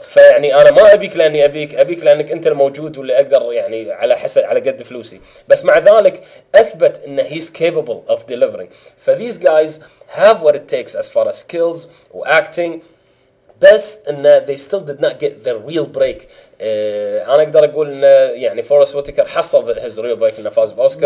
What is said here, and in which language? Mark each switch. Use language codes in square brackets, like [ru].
[ar] فيعني أنا ما أبيك لأني أبيك لأنك أنت الموجود واللي أقدر يعني على حسب على قد فلوسي. بس مع ذلك أثبت إنه [en] he's capable of delivering. ف these guys have what it takes as far as skills و acting. [ar] بس إن [en] they still did not get the real break. [ar] أنا أقدر أقول إن يعني فورس ويتكر حصل [en] his real break [ar] إنه فاز بأوسكار.